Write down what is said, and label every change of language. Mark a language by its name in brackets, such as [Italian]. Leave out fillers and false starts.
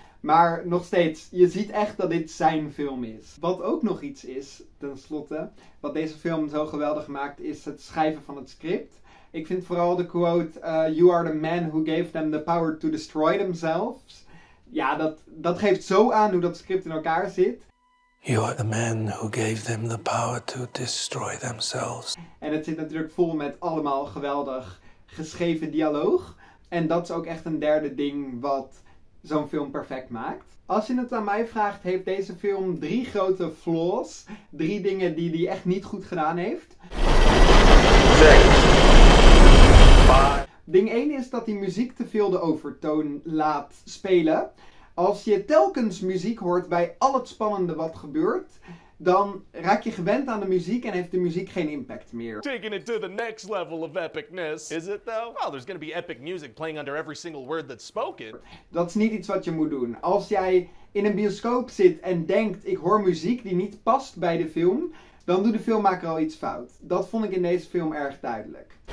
[Dutch] Maar nog steeds, je ziet echt dat dit zijn film is. Wat ook nog iets is, tenslotte, wat deze film zo geweldig maakt, is het schrijven van het script. Ik vind vooral de quote, [English] you are the man who gave them the power to destroy themselves. [Dutch] Ja, dat geeft zo aan hoe dat script in elkaar zit. [English] You are the man who gave them the power to destroy themselves. [Dutch] En het zit natuurlijk vol met allemaal geweldig geschreven dialoog. En dat is ook echt een derde ding wat zo'n film perfect maakt. Als je het aan mij vraagt, heeft deze film drie grote flaws. Drie dingen die hij echt niet goed gedaan heeft. Ding 1 is dat hij muziek te veel de overtoon laat spelen. Als je telkens muziek hoort bij al het spannende wat gebeurt, dan raak je gewend aan de muziek en heeft de muziek geen impact meer. [English] Taking it to the next level of epicness. Is it though? Well, there's gonna be epic music playing under every single word that's spoken. [Dutch] Dat is niet iets wat je moet doen. Als jij in een bioscoop zit en denkt, ik hoor muziek die niet past bij de film, dan doet de filmmaker al iets fout. Dat vond ik in deze film erg duidelijk.